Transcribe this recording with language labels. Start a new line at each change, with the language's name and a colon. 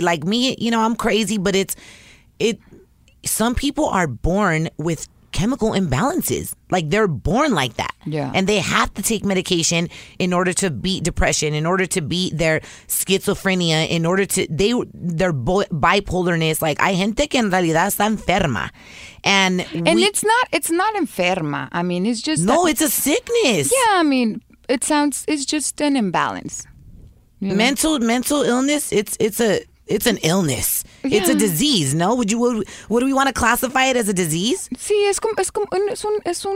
English: Like me, you know, I'm crazy, but some people are born with chemical imbalances. Like, they're born like that. Yeah. And they have to take medication in order to beat depression, in order to beat their schizophrenia, in order to, their bipolarness.
Spanish: Like, hay gente que en realidad está enferma.
English: And it's not enferma. I mean, it's just... No, it's a sickness. Yeah, I mean, it's just an imbalance. You know? Mental illness, it's an illness. Yeah. It's a disease, no? Would we want to classify it as a disease?
Spanish: Sí, es un